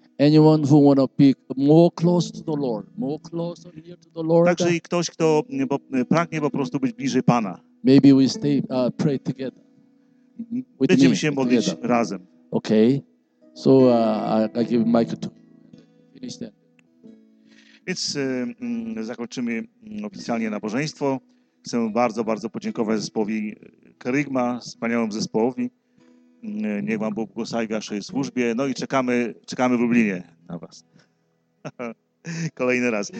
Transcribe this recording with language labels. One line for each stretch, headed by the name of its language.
English: Anyone who want to be more close to the Lord, more close near to the Lord.
Polish: Także i ktoś kto pragnie po prostu być bliżej Pana.
English: Maybe we stay pray together.
Polish: Będziemy się modlić
English: together.
Polish: Razem.
English: Okay. So I give mic to finish that.
Polish: Więc zakończymy oficjalnie nabożeństwo. Chcę bardzo, bardzo podziękować zespołowi Kerygma, wspaniałym zespołowi. Niech Wam Bóg błogosławi w Waszej służbie. No i czekamy w Lublinie na Was. Kolejny raz.